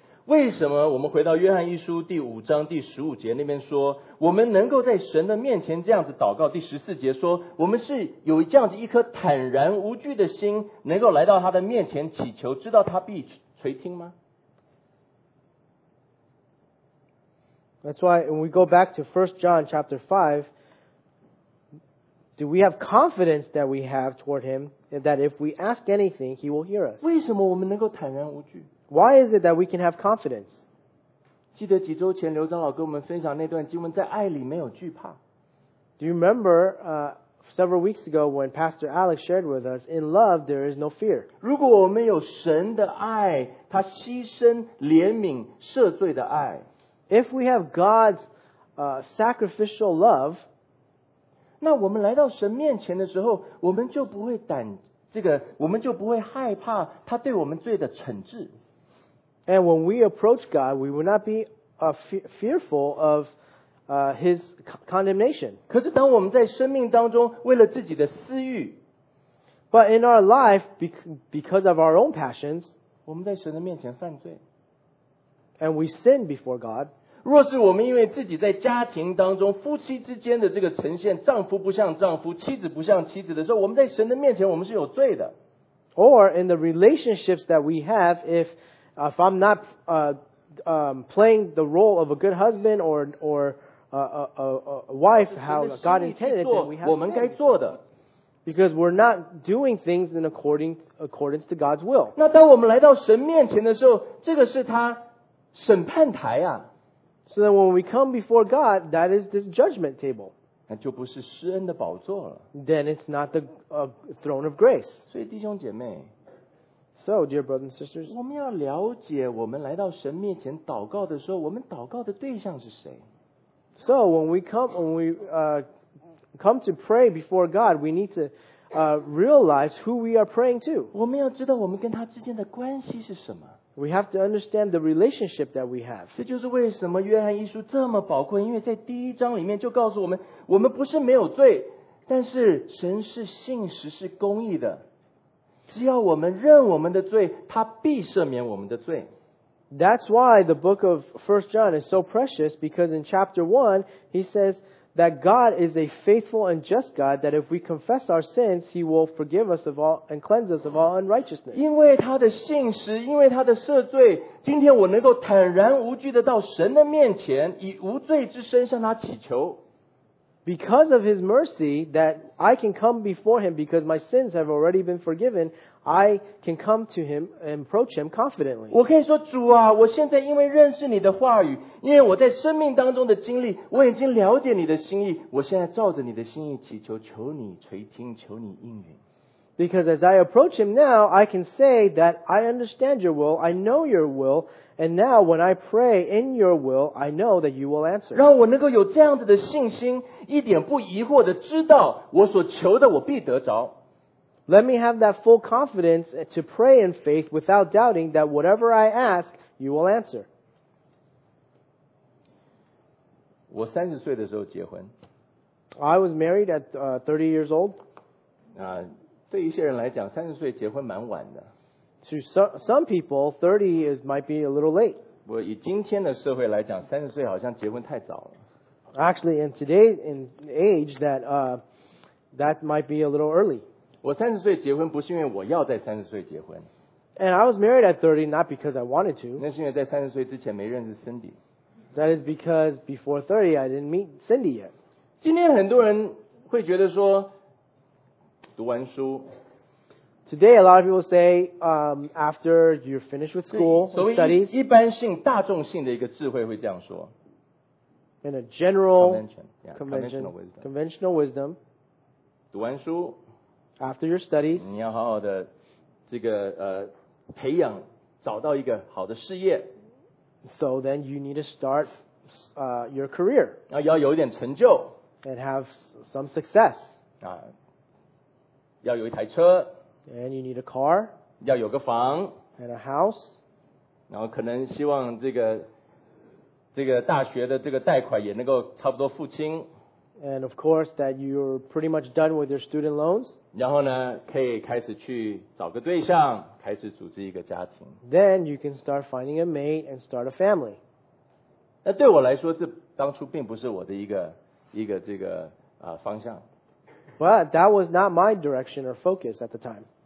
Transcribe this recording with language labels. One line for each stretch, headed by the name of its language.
Chinese: 为什么我们回到约翰一书第五章第十五节那边说，我们能够在神的面前这样子祷告，第十四节说，我们是有这样子一颗坦然无惧的心，能够来到他的面前祈求，知道他必垂听吗？
English: That's why when we go back to 1 John chapter 5, do we have confidence that we have toward him, that if we ask anything, he will hear us?
Chinese: 为什么我们能够坦然无惧？
English: Why is it that we can have confidence?
Chinese: 记得几周前刘长老跟我们分享那段经文，在爱里没有惧怕。
English: Do you remember several weeks ago when Pastor Alex shared with us, in love there is no fear.
Chinese: 如果我们有神的爱，他牺牲怜悯赦罪的爱。
English: If we have God's sacrificial love,
Chinese: 那我们来到神面前的时候，我们就不会胆这个，我们就不会害怕他对我们罪的惩治。
English: And when we approach God, we will not be fearful of His condemnation.
Chinese: 可是当我们在生命当中为了自己的私欲，
English: But in our life, because of our own passions,
Chinese: 我们在神的面前犯罪。
English: And we sin before God.
Chinese: 若是我们因为自己在家庭当中夫妻之间的这个呈现，丈夫不像丈夫，妻子不像妻子的时候，我们在神的面前我们是有罪的。
English: Or in the relationships that we have, if I'm not playing the role of a good husband or a wife how God intended, then we have to do it. Because we're not doing things in accordance to God's will.
Chinese: 那当我们来到神面前的时候，这个是他审判台啊。
English: So that when we come before God, that is this judgment table.
Chinese: 那就不是施恩的宝座了。
English: Then it's not the throne of grace.
Chinese: 所以弟兄姐妹，
English: So, dear brothers and sisters,
Chinese: 我们要了解我们来到神面前祷告的时候，我们祷告的对象是谁。
English: So, when we come to pray before God, we need to realize who we are praying to.
Chinese: 我们要知道我们跟他之间的关系是什么。
English: We have to understand the relationship that we have.
Chinese: 这就是为什么约翰一书这么宝贵，因为在第一章里面就告诉我们，我们不是没有罪，但是神是信实，是公义的。只要我们认我们的罪，他必赦免我们的罪。
English: That's why the book of 1 John is so precious, because in chapter 1, he says that God is a faithful and just God, that if we confess our sins, he will forgive us of all and cleanse us of all unrighteousness.
Chinese: 因为他的信实，因为他的赦罪，今天我能够坦然无惧的到神的面前，以无罪之身向他祈求。
English: Because of his mercy that I can come before him because my sins have already been forgiven, I can come to him and approach him confidently.
Chinese: 我可以说，主啊，我现在因为认识你的话语，因为我在生命当中的经历，我已经了解你的心意，我现在照着你的心意祈求，求你垂听，求你应允。
English: Because as I approach him now, I can say that I understand your will, I know your will, and now when I pray in your will, I know that you will answer.
Chinese: 让我能够有这样子的信心，一点不疑惑的知道我所求的我必得着。
English: Let me have that full confidence to pray in faith without doubting that whatever I ask, you will answer.
Chinese: 我30岁的时候结婚。
English: I was married at 30 years old.
Chinese: 对一些人来讲30岁结婚蛮晚的。
English: To some people, 30 might be a little late.
Chinese: 不过以今天的社会来讲30岁好像结婚太早了。
English: Actually, in today's age, that might be a little early.
Chinese: 我30岁结婚不是因为我要在30岁结婚。
English: And I was married at 30, not because I wanted to.
Chinese: 那是因为在30岁之前没认识 Cindy.
English: That is because before 30, I didn't meet Cindy yet.
Chinese: 今天很多人会觉得说，读完书。
English: Today, a lot of people say, after you're finished with school, studies.
Chinese: 一般性、大众性的一个智慧会这样说。
English: In a general conventional wisdom,
Chinese: 读完书
English: after your studies,
Chinese: 你要好好的这个培养，找到一个好的事业。
English: So then you need to start your career.
Chinese: 要有一点成就
English: and have some success.
Chinese: 要有一台车
English: and you need a car.
Chinese: 要有个房
English: and a house.
Chinese: 然后可能希望这个大学的这个贷款也能够差不多付清。
English: And of course that you're pretty much done with your student loans.
Chinese: 然后呢，可以开始去找个对象，开始组织一个家庭。
English: Then you can start finding a mate and start a family.
Chinese: 那对我来说，这当初并不是我的一个这个方向。
English: But that was not my direction or focus at the time.